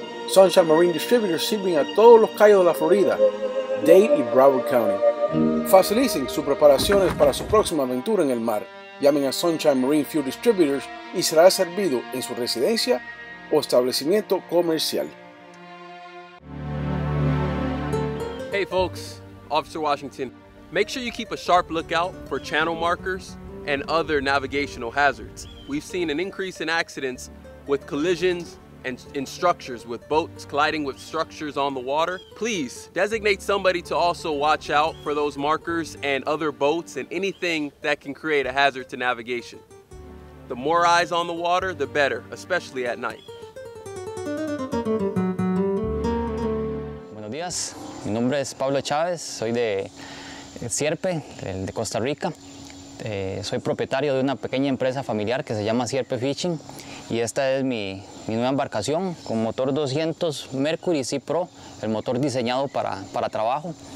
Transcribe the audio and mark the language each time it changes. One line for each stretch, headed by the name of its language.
Spanish: Sunshine Marine Distributors sirven a todos los cayos de la Florida, Dade y Broward County. Facilicen sus preparaciones para su próxima aventura en el mar. Llamen a Sunshine Marine Fuel Distributors y será servido en su residencia o establecimiento comercial.
English: Hey folks, Officer Washington, make sure you keep a sharp lookout for channel markers and other navigational hazards. We've seen an increase in accidents with collisions and in structures with boats colliding with structures on the water. Please designate somebody to also watch out for those markers and other boats and anything that can create a hazard to navigation. The more eyes on the water, the better, especially at night.
Spanish: Buenos días. Mi nombre es Pablo Chávez, soy de Sierpe, de Costa Rica. Soy propietario de una pequeña empresa familiar que se llama Sierpe Fishing y esta es mi nueva embarcación con motor 200 Mercury Sea Pro, el motor diseñado para trabajo.